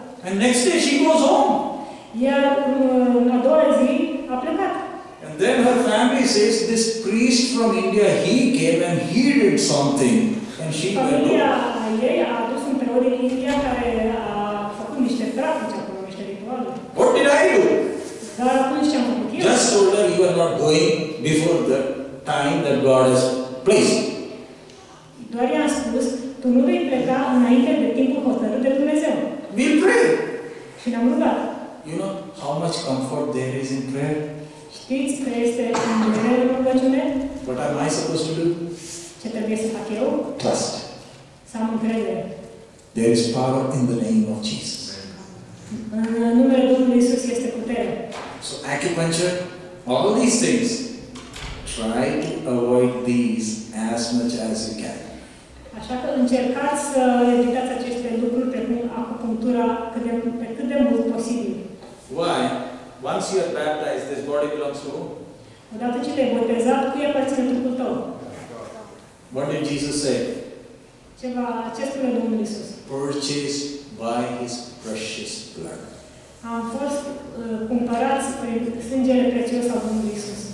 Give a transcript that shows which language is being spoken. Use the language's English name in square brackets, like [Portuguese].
[English] And next day she goes home. [Romanian] Iar în a doua zi a plecat. [English] And then her family says, this priest from India, he came and he did something. And she went home. [Romanian] Familia ei a adus un preot din India care a făcut niște practici acolo, niște rituale. [English] What did I do? [Romanian] Dar atunci ce-am făcut eu? [English] Just told her, you are not going before the time that God has placed. [Romanian] Doar i-am spus, tu nu vei pleca înainte de timpul hotărât de Dumnezeu. [English] We'll pray. [Romanian] Și ne-am rugat. [English] You know how much comfort there is in prayer? [Romanian] Știți că este în durere în rugăciune? [English] What am I supposed to do? [Romanian] Ce trebuie să fac eu? [English] Trust. [Romanian] Să am încredere. [English] There is power in the name of Jesus. [Romanian] În numele Domnului Iisus este putere. [English] So acupuncture, all these things, try to avoid these as much as you can. [Romanian] Așa că încercați să evitați aceste lucruri pe acupunctura pe cât de mult posibil. [English] Why? Once you are baptized, this body belongs to whom? [Romanian] Odată ce te-ai botezat, cui aparține trupul tău? [English] What did Jesus say? [Romanian] Ce spune Domnul Iisus? [English] Purchased by His precious blood. [Romanian] Am fost cumpărați prin sângele prețios al Domnului Iisus.